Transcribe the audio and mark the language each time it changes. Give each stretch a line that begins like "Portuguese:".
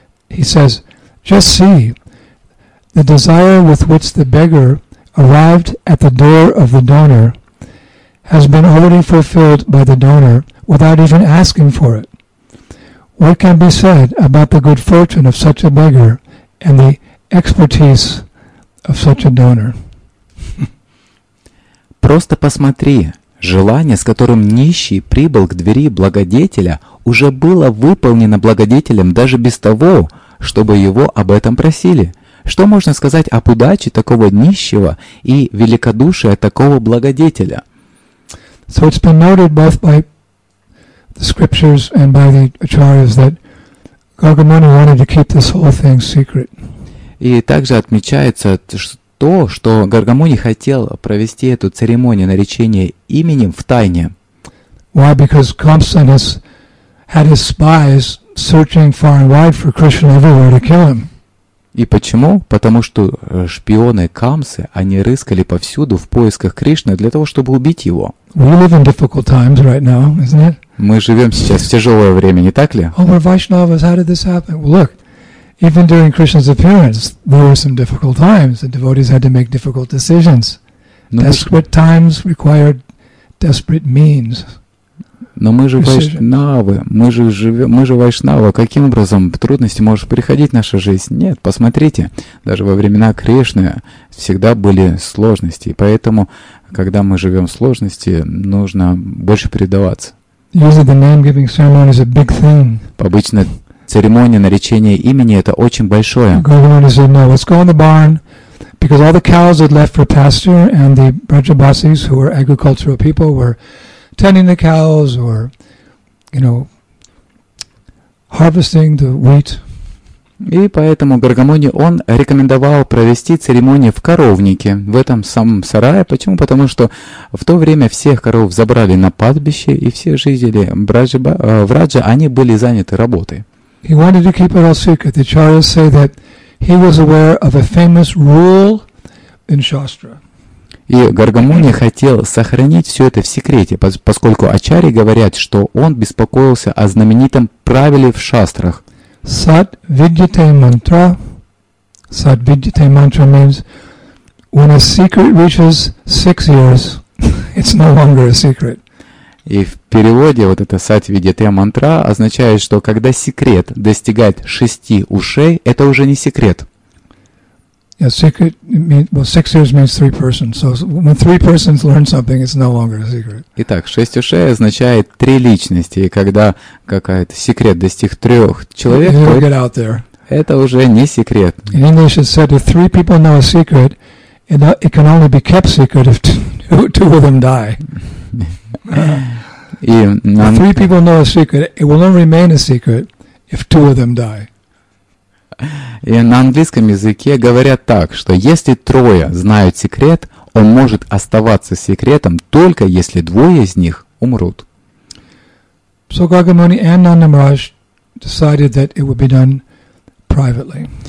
English: He says, just see the desire with which the beggar arrived at the door of the donor has been already fulfilled by the donor without even asking for it. What can be said about the good fortune of such a beggar and the expertise of such a donor?
Russian: Просто посмотри, желание, с которым нищий прибыл к двери благодетеля, уже было выполнено благодетелем даже без того, чтобы его об этом просили. Что можно сказать об удаче такого нищего и великодушия такого благодетеля?
English: So it's been noted both by the scriptures and by the acharyas that Gargamuni wanted to keep this whole thing secret.
Russian: И также отмечается то, что Гаргамуни хотел провести эту церемонию наречения именем в тайне.
English: Why? Because Kamsa had his spies searching far and wide for Krishna everywhere to kill him.
Russian: И почему? Потому что шпионы Камсы, они рыскали повсюду в поисках Кришны для того, чтобы убить его.
English: We live in difficult times right now, isn't it?
Russian: Мы живем сейчас в тяжелое время, не так ли?
English: Oh, we're Vaishnavas, how did this happen? Well, look, even during Krishna's appearance, there were some difficult times. The devotees had to make difficult decisions. Desperate times required desperate means.
Russian: Но мы же вайшнавы, мы же вайшнавы. Каким образом трудности могут приходить в нашу жизнь? Нет, посмотрите, даже во времена Кришны всегда были сложности. Поэтому, когда мы живем в сложности, нужно больше предаваться.
English: Usually the name-giving ceremony is a big thing.
Russian: Обычно церемония наречения имени — это очень большое.
English: Gargamuni said, no, let's go in the barn, because all the cows had left for pasture, and the Brajabasis, who were agricultural people, were tending the cows or, you know, harvesting the wheat.
Russian: И поэтому Гаргамуни, он рекомендовал провести церемонию в коровнике, в этом самом сарае. Почему? Потому что в то время всех коров забрали на пастбище, и все жители Враджа, они были заняты работой.
English: He wanted to keep it all secret. The acharyas say that he was aware of a famous rule in Shastra.
Russian: И Гаргамуни хотел сохранить все это в секрете, поскольку ачарьи говорят, что он беспокоился о знаменитом правиле в шастрах.
Sanskrit: Сад видите мантра. Сад видите мантра
English: means when a secret reaches six ears, it's no longer a secret.
Russian: И в переводе вот это сад видите мантра означает, что когда секрет достигает шести ушей, это уже не секрет.
English: Yeah, secret means, well, six ears means three persons. So when three persons learn something, it's no longer a secret.
Russian: Итак, шесть ушей означает три личности, и когда какая-то секрет достиг трех человек, это уже не секрет.
English: In English it said, if three people know a secret, it can only be kept secret if two of them die. If three people know a secret, it will only remain a secret if two of them die.
Russian: И на английском языке говорят так, что если трое знают секрет, он может оставаться секретом только если двое из них умрут.
English: So Gargamuni and Nanda Maharaj decided that it would be done privately.